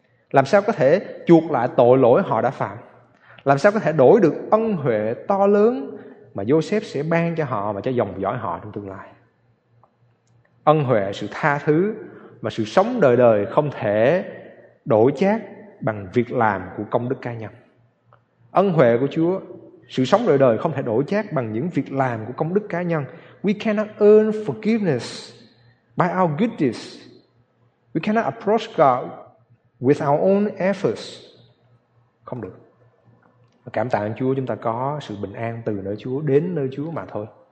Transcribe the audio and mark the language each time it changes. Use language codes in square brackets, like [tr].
[vi] Làm sao có thể chuộc lại tội lỗi họ đã phạm? Làm sao có thể đổi được ân huệ to lớn mà Joseph sẽ ban cho họ và cho dòng dõi họ trong tương lai? Ân huệ, sự tha thứ và sự sống đời đời không thể đổi chác bằng việc làm của công đức cá nhân. Ân huệ của Chúa, sự sống đời đời không thể đổi chác bằng những việc làm của công đức cá nhân. [en] We cannot earn forgiveness by our good deeds. We cannot approach God with our own efforts. [vi] Không được. Cảm tạ Chúa, chúng ta có sự bình an từ nơi Chúa, đến nơi Chúa mà thôi.